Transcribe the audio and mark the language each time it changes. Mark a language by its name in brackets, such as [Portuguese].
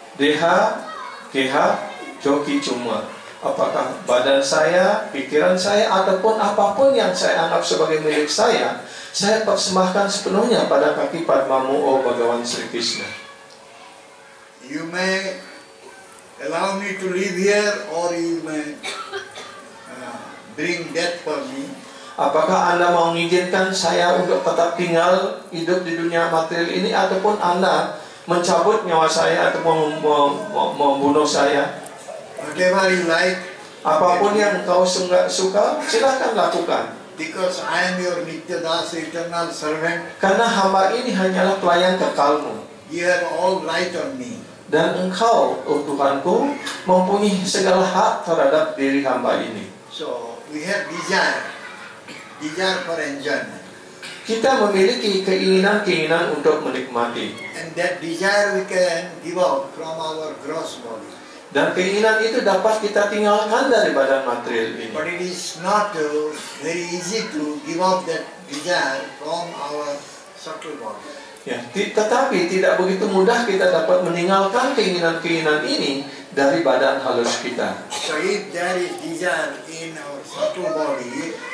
[Bangla] Deha geha jokichu moro, [Indonesian] apakah badan saya, pikiran saya, ataupun apapun yang saya anggap sebagai milik saya persembahkan sepenuhnya pada kaki Padmamu, O Bhagawan Sri Krishna. [English] You may allow me to live here, or you may bring death for me. [Indonesian] Apakah Anda mau mengizinkan saya untuk tetap tinggal hidup di dunia material ini, ataupun Anda mencabut nyawa saya atau membunuh saya. [English] Whatever you like. [Indonesian] Apapun yang engkau suka, silakan lakukan. [English] Because I am your Nityadas, eternal servant. [Indonesian] Karena hamba ini hanyalah pelayan kekalmu. [English] You have all right on me. [Indonesian] Dan engkau, oh Tuhanku, mempunyai segala hak terhadap diri hamba ini. [English] So we have desire for enjoyment. [Indonesian] Kita memiliki keinginan-keinginan untuk menikmati. [English] And that desire we can give out from our gross body. [Indonesian] Dan keinginan itu dapat kita tinggalkan dari badan material ini. [English] But it is not very easy to give out that desire from our subtle body. [Indonesian] Ya, tetapi tidak begitu mudah kita dapat meninggalkan keinginan-keinginan ini dari badan halus kita. [English] So if there is desire in our subtle body,